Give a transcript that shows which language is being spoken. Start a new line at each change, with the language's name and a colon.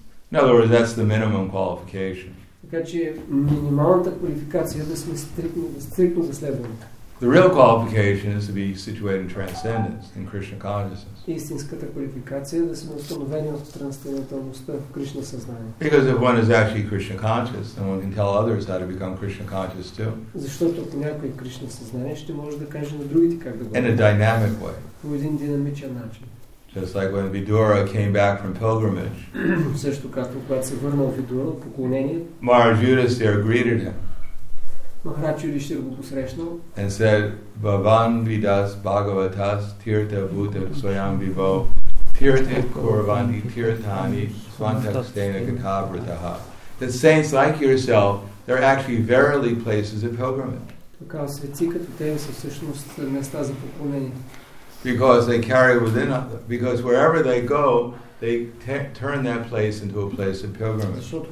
English: In other words, that's the minimum qualification.
Bulgarian: Така че минималната квалификация да сме стриктно за следването.
English: The real qualification is to be situated in transcendence, in Krishna consciousness.
Bulgarian: Истинската квалификация да сме установени в трансценденталността, в Кришна съзнание.
English: Because if one is actually Krishna conscious, then one can tell others how to become Krishna conscious too.
Bulgarian: Защото ако някой е Кришна съзнание, ще може да каже на другите как да бъде.
English: In a dynamic way.
Bulgarian: По един динамичен начин.
English: Just like when Vidura came back from pilgrimage.
Bulgarian: Също както когато се върнал Vidura от поклонение.
English: Maharaj Yudhisthira greeted him.
Bulgarian: Maharaj Yudhisthira го посрещнал.
English: And said,
Sanskrit: Bhavan Vidas Bhagavatas Tirtha Bhuta Swayam Vibho Tirtha Kurvani Tirthani Swantakstena Katavrataha.
English: The saints like yourself, they're actually verily places of pilgrimage.
Bulgarian: Така, светци като тебе са всъщност места за поклонение.
English: Because they carry within them. Because wherever they go, they turn that place into a place of pilgrimage.